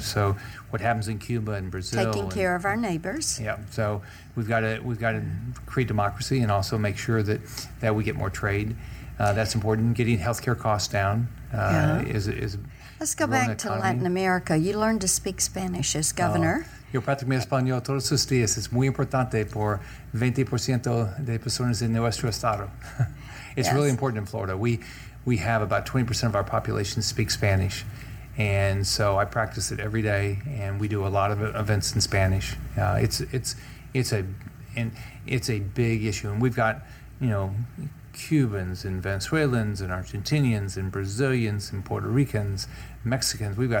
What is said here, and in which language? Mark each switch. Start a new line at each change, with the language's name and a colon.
English: So, what happens in Cuba and Brazil? Taking care of our neighbors. Yeah. So we've got to create democracy and also make sure that we get more trade. That's important. Getting healthcare costs down is. Let's go back to Latin America. You learned to speak Spanish as governor.
Spanish: Yo practico mi español todos los días. Es muy importante por 20% de personas en nuestro estado.
English: It's really important in Florida. We have about 20% of our population speak Spanish. And so I practice it every day, and we do a lot of events in Spanish. It's a big issue. And we've got, Cubans and Venezuelans and Argentinians and Brazilians and Puerto Ricans, Mexicans.